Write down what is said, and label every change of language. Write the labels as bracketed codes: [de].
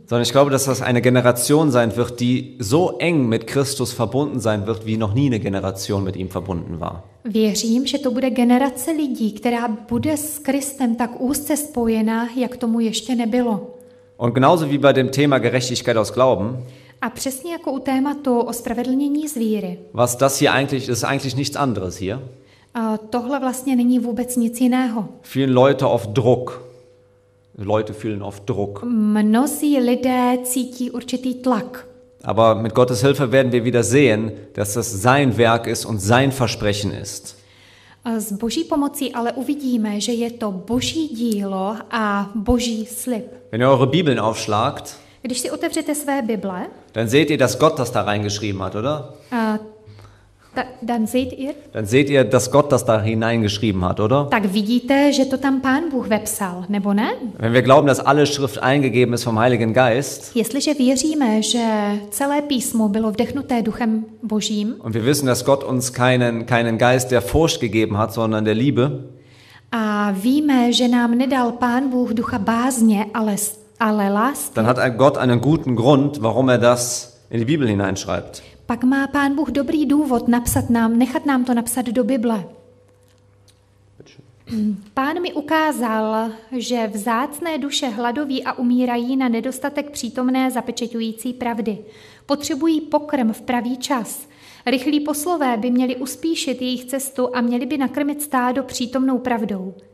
[de] Sondern ich glaube, dass das eine Generation sein wird, die so eng mit Christus verbunden sein wird, wie noch nie eine Generation mit ihm verbunden war. [cs] Věřím, že to bude generace lidí, která bude s Kristem tak úzce spojena, jak tomu ještě nebylo. [de] Und genauso wie bei dem Thema Gerechtigkeit aus Glauben. [cs] A přesně jako u tématu ospravedlnění z víry. [de] Was das hier eigentlich ist, eigentlich nichts anderes hier. [cs] Tohle vlastně není vůbec nic jiného. [de] Fühlen Leute oft Druck. Leute fühlen oft Druck. [cs] Mnozí lidé cítí určitý tlak. [de] Aber mit Gottes Hilfe werden wir wieder sehen, dass das sein Werk ist und sein Versprechen ist. [cs] S Boží pomocí ale uvidíme, že je to Boží dílo a Boží slib. [de] Wenn ihr eure Bibeln aufschlagt, [cs] když si otevřete své Bible, [de] dann seht ihr, dass Gott das da reingeschrieben hat, oder? Dann seht ihr, dass Gott das da hineingeschrieben hat, oder? [cs] Tak vidíte, že to tam Pán Bůh vepsal, nebo ne? [de] Wenn wir glauben, dass alle Schrift eingegeben ist vom Heiligen Geist. [cs] Jestliže věříme, že celé písmo bylo vdechnuté Duchem Božím. [de] Und wir wissen, dass Gott uns keinen Geist der Furcht gegeben hat, sondern der Liebe. [cs] A víme, že nám nedal Pán Bůh ducha bázně, ale lásky. [de] Dann hat Gott einen guten Grund, warum er das in die Bibel hineinschreibt. [cs] Pak má Pán Bůh dobrý důvod nechat nám to napsat do Bible. Pán mi ukázal, že vzácné duše hladoví a umírají na nedostatek přítomné zapečeťující pravdy. Potřebují pokrm v pravý čas. Rychlí poslové by měli uspíšit jejich cestu a měli by nakrmit stádo přítomnou pravdou.